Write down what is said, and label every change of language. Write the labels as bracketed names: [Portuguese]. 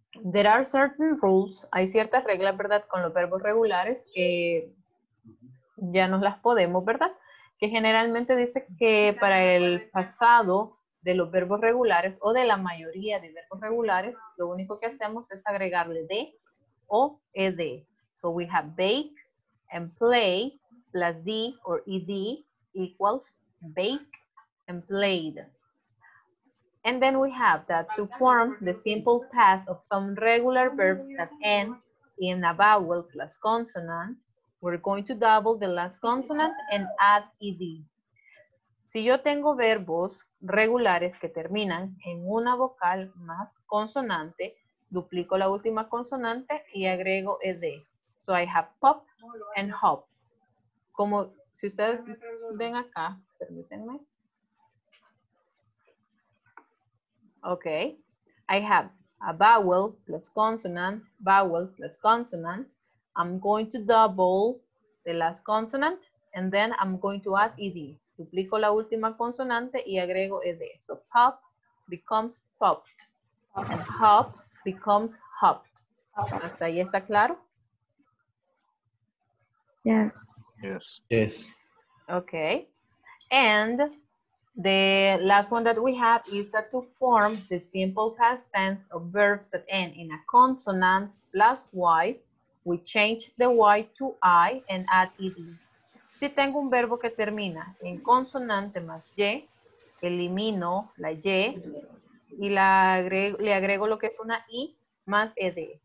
[English] There are certain rules, [Spanish] hay ciertas reglas, ¿verdad?, con los verbos regulares que ya nos las podemos, ¿verdad?, que generalmente dice que para el pasado de los verbos regulares o de la mayoría de verbos regulares, lo único que hacemos es agregarle de o ed. [English] So we have bake and play plus d or ed equals bake and played. And then we have that to form the simple past of some regular verbs that end in a vowel plus consonant, we're going to double the last consonant and add ed. [Spanish] Si yo tengo verbos regulares que terminan en una vocal más consonante, duplico la última consonante y agrego ed. [English] So I have pop and hop. [Spanish] Como si ustedes ven acá, permítanme. [English] Ok. I have a vowel plus consonant, vowel plus consonant. I'm going to double the last consonant and then I'm going to add ed. [Spanish] Duplico la última consonante y agrego ed. [English] So pop becomes popped. And hop becomes hopped. [Spanish] ¿Hasta ahí está claro? [English] Yes. Yes. Yes. Okay. And the last one that we have is that to form the simple past tense of verbs that end in a consonant plus y, we change the y to I and add ed. [Spanish] Si tengo un verbo que termina en consonante más y, elimino la y y la agrego, le agrego lo que es una i más ed.